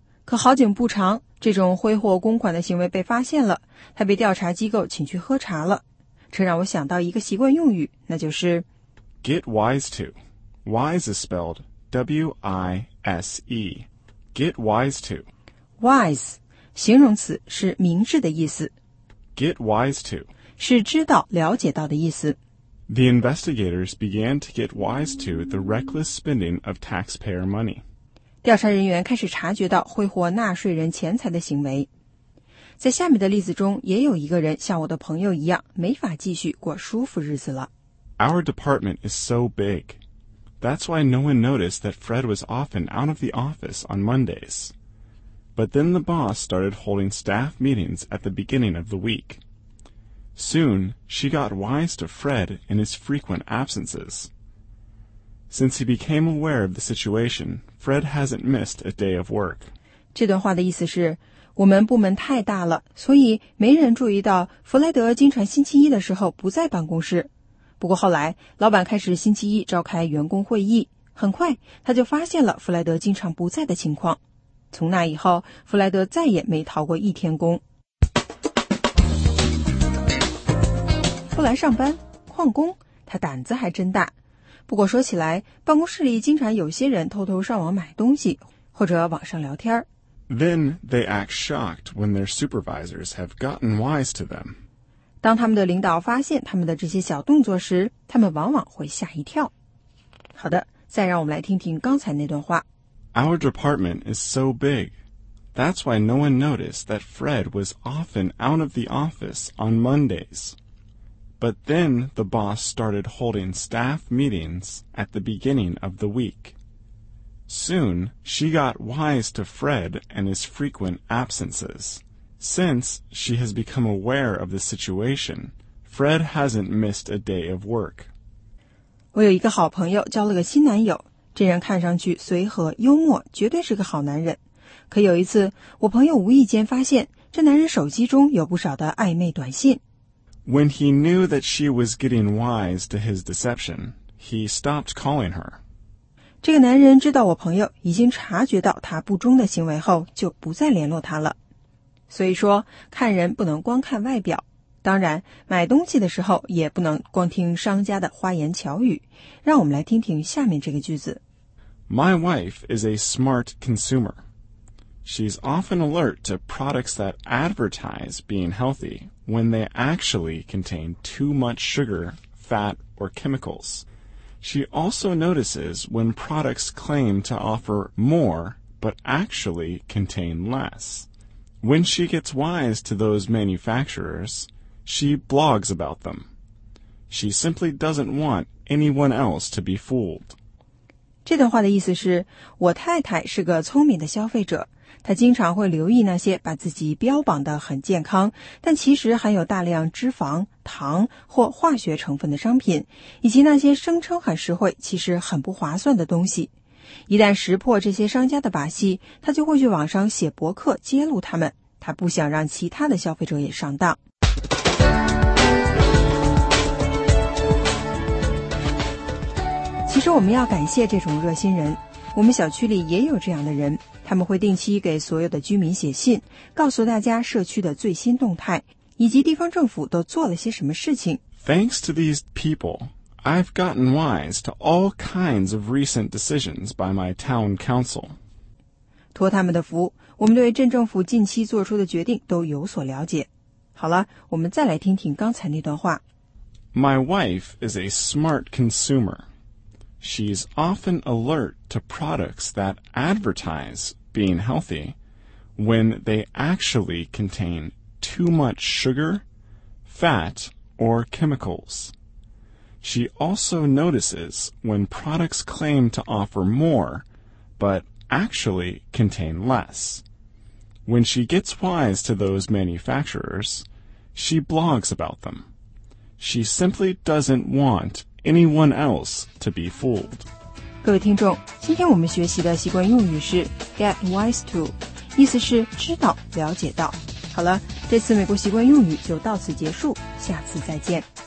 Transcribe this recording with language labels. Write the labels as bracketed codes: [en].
[zh] 可好景不长，这种挥霍公款的行为被发现了，他被调查机构请去喝茶了。这让我想到一个习惯用语，那就是 [en] Get wise to。 Wise is spelled W-I-S-E. Get wise to. [zh] Wise, 形容词是明智的意思。 [en] Get wise to. [zh] 是知道、了解到的意思。 [en] The investigators began to get wise to the reckless spending of taxpayer money. [zh] 调查人员开始察觉到挥霍纳税人钱财的行为。在下面的例子中，也有一个人像我的朋友一样，没法继续过舒服日子了。 [en] Our department is so big. That's why no one noticed that Fred was often out of the office on Mondays. But then the boss started holding staff meetings at the beginning of the week. Soon, she got wise to Fred and his frequent absences. Since he became aware of the situation, Fred hasn't missed a day of work. [zh] 这段话的意思是，我们部门太大了，所以没人注意到弗莱德经常星期一的时候不在办公室。不过后来，老板开始星期一召开员工会议，很快他就发现了弗莱德经常不在的情况。从那以后，弗莱德再也没逃过一天工。不来上班，旷工，他胆子还真大。不过说起来，办公室里经常有些人偷偷上网买东西，或者网上聊天。 [en] Then they act shocked when their supervisors have gotten wise to them. [zh] 当他们的领导发现他们的这些小动作时，他们往往会吓一跳。好的，再让我们来听听刚才那段话。 [en] Our department is so big. That's why no one noticed that Fred was often out of the office on Mondays. But then the boss started holding staff meetings at the beginning of the week. Soon, she got wise to Fred and his frequent absences. Since she has become aware of the situation, Fred hasn't missed a day of work. [zh] 我有一个好朋友交了个新男友，这人看上去随和幽默，绝对是个好男人。可有一次，我朋友无意间发现这男人手机中有不少的暧昧短信。 [en] When he knew that she was getting wise to his deception, he stopped calling her. [zh] 这个男人知道我朋友已经察觉到他不忠的行为后，就不再联络他了。所以说，看人不能光看外表。当然，买东西的时候也不能光听商家的花言巧语。让我们来听听下面这个句子。 [en] My wife is a smart consumer. She's often alert to products that advertise being healthy when they actually contain too much sugar, fat, or chemicals. She also notices when products claim to offer more but actually contain less. When she gets wise to those manufacturers, she blogs about them. She simply doesn't want anyone else to be fooled. [zh] 这段话的意思是，我太太是个聪明的消费者，她经常会留意那些把自己标榜得很健康，但其实含有大量脂肪、糖或化学成分的商品，以及那些声称很实惠，其实很不划算的东西。一旦识破这些商家的把戏，他就会去网上写博客揭露他们。他不想让其他的消费者也上当。其实我们要感谢这种热心人，我们小区里也有这样的人，他们会定期给所有的居民写信，告诉大家社区的最新动态，以及地方政府都做了些什么事情。 [en] Thanks to these people, I've gotten wise to all kinds of recent decisions by my town council. [zh] 托他们的福，我们对镇政府近期做出的决定都有所了解。好了，我们再来听听刚才那段话。 [en] My wife is a smart consumer. She's often alert to products that advertise being healthy when they actually contain too much sugar, fat, or chemicals. She also notices when products claim to offer more, but actually contain less. When she gets wise to those manufacturers, she blogs about them. She simply doesn't want anyone else to be fooled. [zh] 各位听众，今天我们学习的习惯用语是 get wise to， 意思是知道、了解到。好了，这次美国习惯用语就到此结束，下次再见。